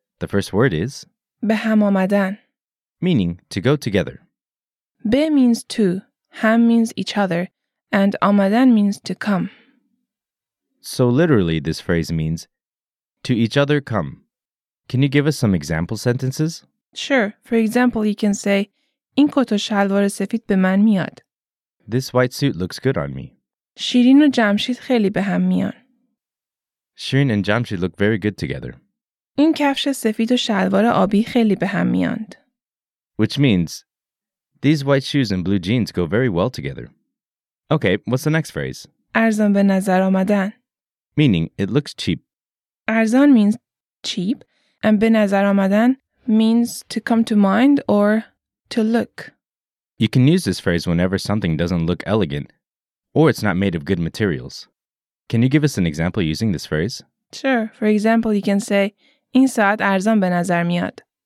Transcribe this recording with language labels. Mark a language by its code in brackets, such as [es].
[en] The first word is [fa] به هم آمدن. [en] Meaning to go together. به means to, هم means each other, and آمدن means to come. So literally this phrase means to each other come. Can you give us some example sentences? Sure. For example, you can say [fa] این کت و شلوار سفید به من میاد. [en] This white suit looks good on me. [fa] شیرین و جمشید خیلی به هم میان. [en] Shirin and Jamshid look very good together. [fa] این کفش سفید و شلوار آبی خیلی به هم میاند. [en] Which means, these white shoes and blue jeans go very well together. Okay, what's the next phrase? [fa] ارزان به نظر آمدن. [en] Meaning, it looks cheap. ارزان means cheap, and به نظر آمدن means to come to mind or to look. You can use this phrase whenever something doesn't look elegant or it's not made of good materials. Can you give us an example using this phrase? Sure. For example, you can say, [fa] این ساعت ارزان به نظر میاد.